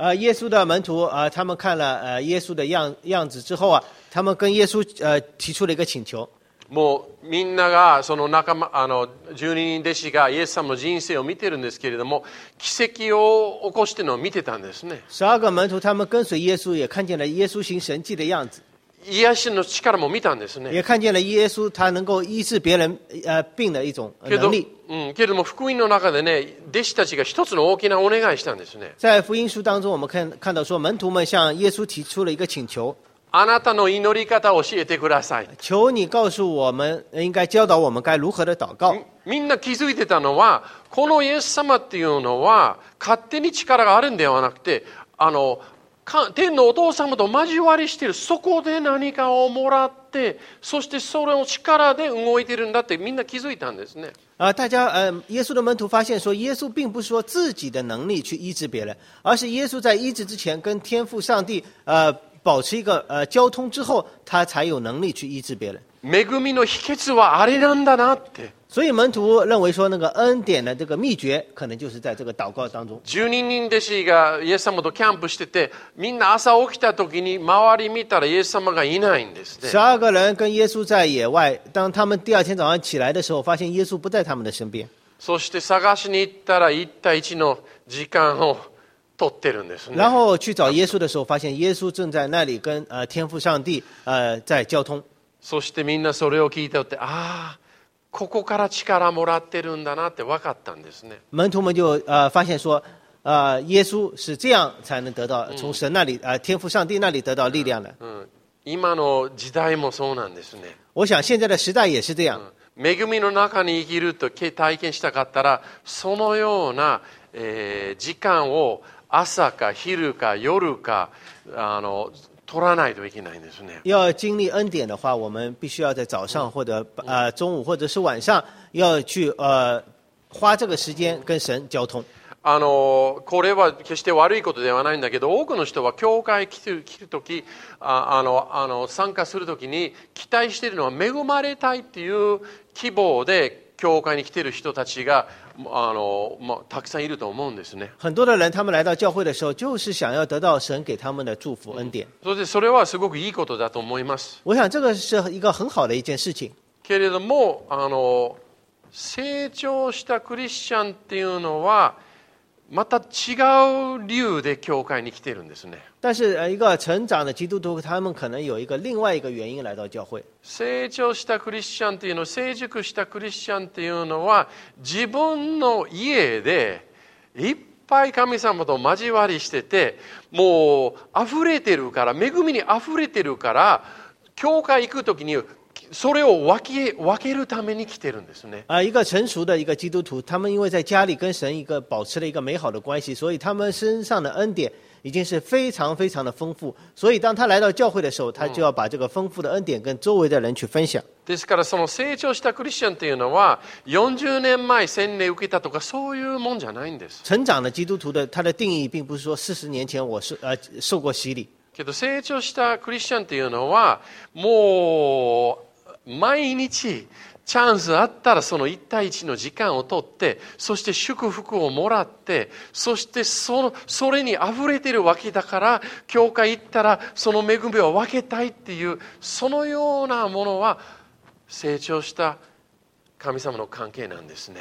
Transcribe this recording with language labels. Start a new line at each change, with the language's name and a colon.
Japanese: イエスの門徒、
Chinese: 他们看了
Japanese: イエスの
Chinese: 样子之后啊，他们跟耶稣提出了一个请求。
Japanese: もうみんながその仲間十二人弟子がイエス様の人生を見てるんですけれども、奇跡を起こしてのを見てたんですね。
Chinese: 十二个门徒他们跟随耶稣也看见了耶稣行神迹的样子。
Japanese: 癒しの力も見たんですね。
Chinese: 也看见了耶稣他能够医治别人病的一种能力。
Japanese: けれども福音の中でね、弟子たちが一つの大きなお願いしたんですね。
Chinese: 在福音书当中，我们看到说门徒们向耶稣提出了一个请求。
Japanese: あなたの祈り方を教えてください。
Chinese: 求你告诉我们，应该教导我们该如何的祷告。
Japanese: みんな気づいてたのは、このイエス様っていうのは勝手に力があるんではなくて、天のお父様と交わりしている、そこで何かをもらって、そしてそれを力で動いているんだってみんな気づいたんですね。
Chinese: 大家耶稣的门徒发现说，耶稣并不是说自己的能力去医治别人，而是耶稣在医治之前跟天父上帝保持一个交通之后，他才有能力去医治别人。
Japanese: 恵みの秘訣はあれなんだなって。
Chinese: 所以门徒认为说，那个恩典的这个秘诀，可能就是在这个祷告当中。
Japanese: 十二人弟子がイエス様とキャンプしてて、みんな朝起きた時に周り見たらイエス様がいないんですね。
Chinese: 十二个人跟耶稣在野外，当他们第二天早上起来的时候，发现耶稣不在他们的身边。
Japanese: そして探しに行ったら一対一の時間を取ってるんですね。
Chinese: 然后去找耶稣的时候，发现耶稣正在那里跟天父上帝在交通。
Japanese: そしてみんなそれを聞いておって、ああ。ここから力もらってるんだなって分かったんですね。
Chinese: 门徒们就发现说，耶稣是这样才能得到从神那里天父上帝那里得到力量的。
Japanese: 今の時代もそうなんですね。
Chinese: 我想现在的时代也是这样。
Japanese: 恵みの中に生きると体験したかったら、そのような時間を朝か昼か夜か取らないといけないんですね。
Chinese: 要经历恩典的话，我们必须要在早上或者中午或者是晚上要去花这个时间跟神交通。
Japanese: これは決して悪いことではないんだけど、多くの人は教会来るとき、参加するときに期待しているのは恵まれたいっていう希望で教会に来ている人たちが。たくさんいると思うんですね。
Chinese: 很多的人他们来到教会的时候就是想要得到神给他们的祝福恩典。
Japanese: それはすごくいいことだと思います。
Chinese: 我想这个是一个很好的一件事情。
Japanese: けれども成長したクリスチャンっていうのはまた違う理由で教会に来てるんですね。
Chinese: 但是一个成长的基督徒他们可能有一个另外一个原因来到教会。
Japanese: 成長したクリスチャンっていうの、成熟したクリスチャンっていうのは自分の家でいっぱい神様と交わりしてて、もう溢れてるから、恵みに溢れてるから教会行くときにそれを分けるために来てるんですね。
Chinese: 一个成熟的一个基督徒，他们因为在家里跟神一个保持了一个美好的关系，所以他们身上的恩典已经是非常非常的丰富。所以当他来到教会的时候，他就要把这个丰富的恩典跟周围的人去分享。
Japanese: ですからその成長したクリスチャンというのは40年前洗礼受けたとかそういうもんじゃないんです。
Chinese: 成长的基督徒的他的定义并不是说40年前我受过洗礼。
Japanese: けど成長したクリスチャンっていうのはもう毎日チャンスあったらその一対一の時間を取って、そして祝福をもらって、そしてそれに溢れてるわけだから、教会行ったらその恵みを分けたいっていう、そのようなものは成長した神様の関係なんですね。